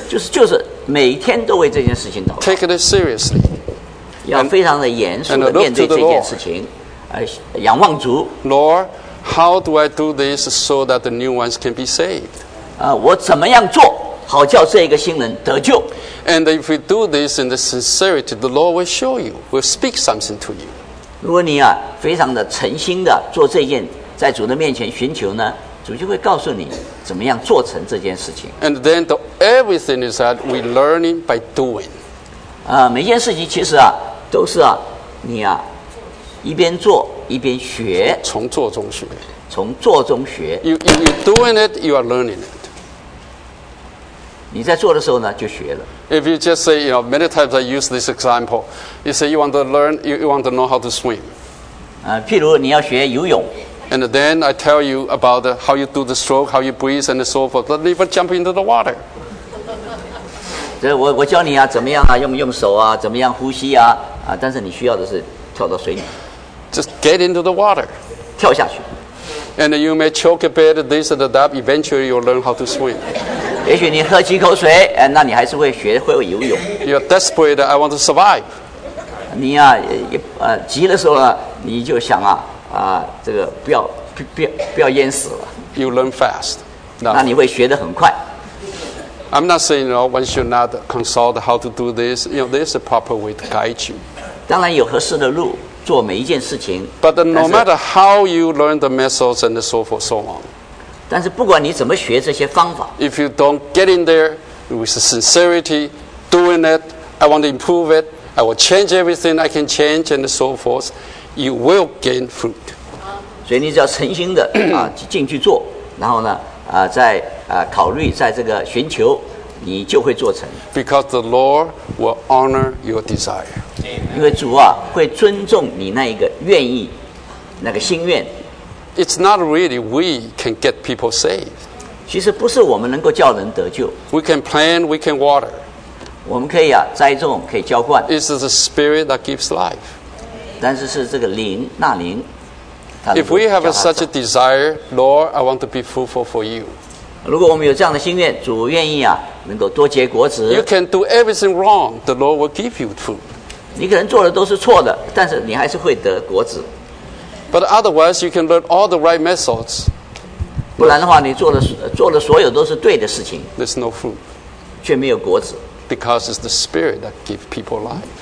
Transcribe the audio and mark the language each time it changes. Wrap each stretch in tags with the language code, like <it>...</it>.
<zh>就是每天都为这件事情祷告。</zh> <en>Take it seriously.</en> <zh>要非常的严肃地面对这件事情，仰望主。</zh> <en>Lord, how do I do this so that the new ones can be saved?</en> <zh>我怎么样做好叫这个新人得救</zh> <en>？And if we do this in the sincerity, the Lord will show you, will speak something to you.</en> <zh>如果你啊非常的诚心的做这件，在主的面前寻求呢？主就会告诉你怎么样做成这件事情。</zh> <en>And then everything is that we learning by doing.</en> <zh>每件事情其实啊，都是啊，你啊，一边做一边学。从做中学。</zh> <en>You doing it, you are learning it.</en> <zh>你在做的时候呢，就学了。</zh> <en>If you just say, you know, many times I use this example. You say you want to learn, you want to know how to swim.</en> <zh>譬如你要学游泳。</zh> <en>And then I tell you about how you do the stroke, how you breathe, and so forth. Don't even jump into the water.</en> <zh>我教你啊，怎么样啊，用手啊，怎么样呼吸啊，但是你需要的是跳到水里。</zh> <en>Just get into the water.</en> <zh>跳下去。</zh> <en>And you may choke a bit, this and that. Eventually, you'll learn how to swim.</en> <zh>也许你喝几口水，那你还是会学会游泳。</zh> <en>You're desperate. I want to survive.</en> <zh>你啊，急的时候啊，你就想啊。这个不要淹死了。</zh> <en>You learn fast.</en> <zh>那你会学得很快。</zh> <en>I'm not saying, you know, one should not consult how to do this. You know, there's a proper way to guide you.</en> <zh>当然有合适的路做每一件事情。</zh> <en>But no matter how you learn the methods and so forth, so on.</en> <zh>但是不管你怎么学这些方法。</zh> <en>If you don't get in there with sincerity, doing it, I want to improve it, I will change everything I can change and so forth. You will gain fruit.</en> <zh>所以你只要诚心的进去做，然后呢，再考虑，在这个寻求，你就会做成。</zh> <en>Because the Lord will honor your desire.</en> <zh>因为主啊，会尊重你那一个愿意，那个心愿。</zh> <en>It's not really we can get people saved.</en> <zh>其实不是我们能够叫人得救。</zh> <en>We can plant, we can water.</en> <zh>我们可以啊，栽种，可以浇灌。</zh> <en>It's the Spirit that gives life.</en> <zh>但是这个灵纳灵</zh> <en>If we have such a desire, Lord, I want to be fruitful for you.</en> <zh>如果我们有这样的心愿，主愿意啊，能够多结果子。</zh> <en>You can do everything wrong, the Lord will give you fruit.</en> <zh>你可能做的都是错的，但是你还是会得果子。</zh> <en>But otherwise, you can learn all the right methods.</en> <zh>不然的话，你做的所有都是对的事情。</zh> <en>There's no fruit.</en> <zh>却没有果子。</zh> <en>Because it's the spirit that gives people life.</en>